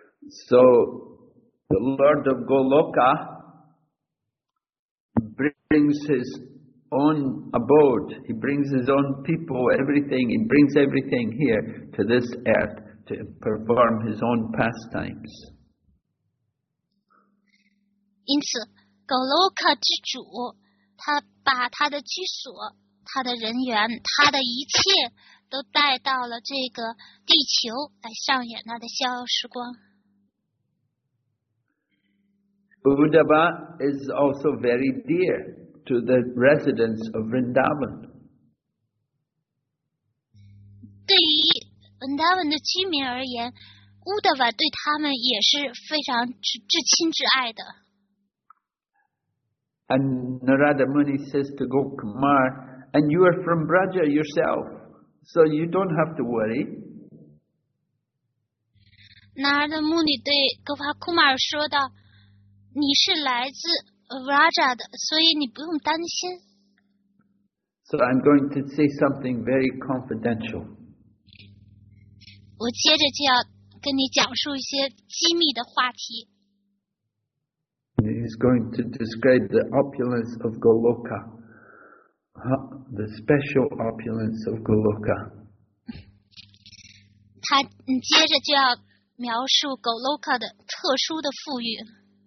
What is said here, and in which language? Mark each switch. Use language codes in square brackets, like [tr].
[en] So the Lord of Goloka brings his own abode, he brings his own people, everything, he brings everything here to this earth. To perform his own pastimes. [zh] 因此 Goloka 之主他把他的居所他的人员他的一切都带到了这个地球来上演他的逍遥时光。 [en] Uddhava is also very dear to the residents of Vrindavan. [zh] 对于文达文的居民而言，乌德瓦对他们也是非常至亲至爱的。 [en] And Narada Muni says to Gokumar, "And you are from Braja yourself, so you don't have to worry." [zh] Narada Muni 对 Gokumar 说道：“你是来自 Braja 的，所以你不用担心。” [en] So I'm going to say something very confidential. [zh] 我接着就要跟你讲述一些机密的话题。 [en] He's going to describe the opulence of Goloka, the special opulence of Goloka. [zh] 他接着就要描述 Goloka 的特殊的富裕。